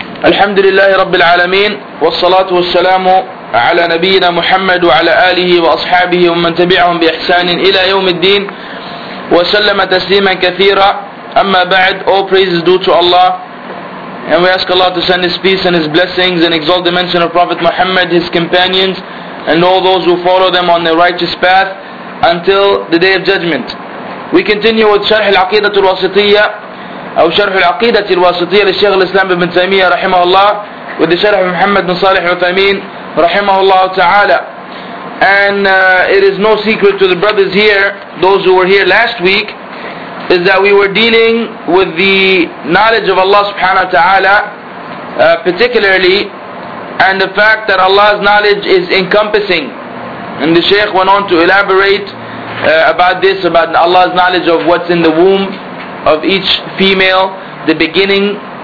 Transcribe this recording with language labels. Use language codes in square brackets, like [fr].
[ar] الحمد لله رب العالمين، والصلاة والسلام على نبينا محمد وعلى آله وأصحابه ومن تبعهم بإحسان إلى يوم الدين وسلم تسليما كثيرا. أما بعد، [en] all praises due to Allah, and we ask Allah to send His peace and His blessings and exalt the mention of Prophet Muhammad, His companions, and all those who follow them on their righteous path until the Day of Judgment. We continue with [ar] شرح العقيدة الواسطية أو شرح العقيدة الواسطية للشيخ الإسلام بن تيمية رحمه الله [en] with the [ar] شرح محمد بن صالح العثيمين رحمه الله تعالى. [en] And it is no secret to the brothers here, those who were here last week, is that we were dealing with the knowledge of Allah subhanahu wa ta'ala particularly, and the fact that Allah's knowledge is encompassing. And the Shaykh went on to elaborate about this, about Allah's knowledge of what's in the womb of each female, the beginning.